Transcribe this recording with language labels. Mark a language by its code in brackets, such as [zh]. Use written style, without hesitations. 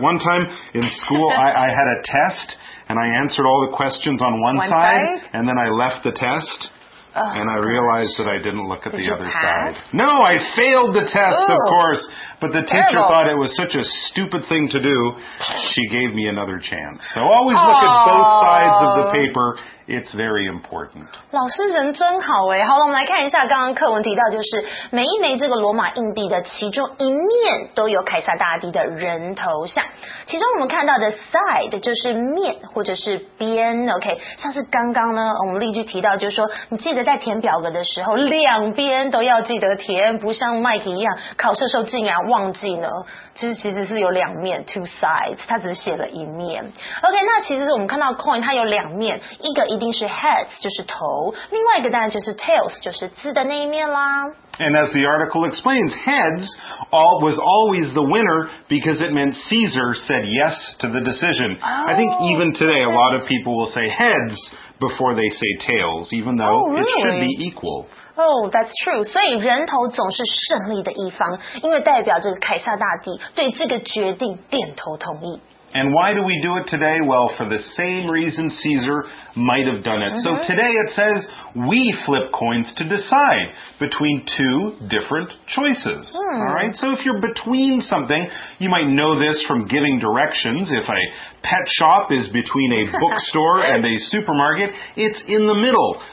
[en] One time in school, I had a test, and I answered all the questions on one side, and then I left the test. Oh, and I realized gosh. That I didn't look at Did the other pass? Side. No, I failed the test, Ooh, of course. But the terrible. Teacher thought it was such a stupid thing to do, she gave me another chance. So always look at both sides of the paper. It's very important. [zh] 老师人真好耶。好了，我们来看一下刚刚课文提到，就是每一枚这个罗马硬币的其中一面都有凯撒大帝的人头像。其中我们看到的 side 就是面或者是边 ，OK？像是刚刚呢，我们例句提到，就是说你记得在填表格的时候，两边都要记得填，不像 Mike 一样考试时候竟然忘记呢。其实是有两面 ， [en] two sides， [zh] 它只是写了一面。 OK， 那其实我们看到 coin 它有两面，一个一定是 heads， 就是头，另外一个当然就是 tails， 就是字的那一面啦。 [en] And as the article explains, heads all, was always the winner because it meant Caesar said yes to the decision. Oh, I think even today, a lot of people will say heads before they say tails, even though it should be equal. Oh, that's true. [zh] 所以人头总是胜利的一方，因为代表这个凯撒大帝对这个决定点头同意。 [en] And why do we do it today? Well, for the same reason Caesar might have done it. So today it says we flip coins to decide between two different choices. Mm. All right. So if you're between something, you might know this from giving directions. If a pet shop is between a bookstore and a supermarket, it's in the middle.